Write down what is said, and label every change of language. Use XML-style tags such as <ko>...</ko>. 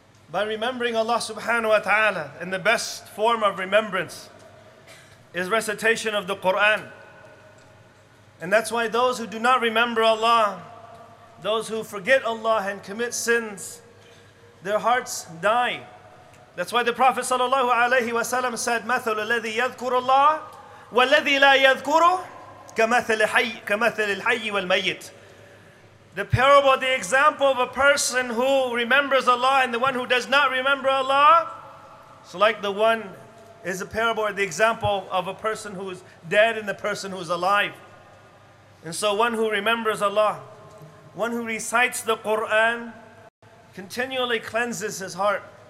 <en>By remembering Allah subhanahu wa ta'ala, in the best form of remembrance is recitation of the Qur'an. And that's why those who do not remember Allah, those who forget Allah and commit sins, their hearts die. That's why the Prophet sallallahu alayhi wa sallam said,</en> <ar>مَثَلُ الَّذِي يَذْكُرُ اللَّهِ وَالَّذِي لَا يَذْكُرُ كَمَثَلِ الْحَيِّ وَالْمَيِّتِ.</ar> <en>The parable, the example of a person who remembers Allah and the one who does not remember Allah, so like the one is a parable or the example of a person who is dead and the person who is alive. And so one who remembers Allah, one who recites the Qur'an, continually cleanses his heart.</en>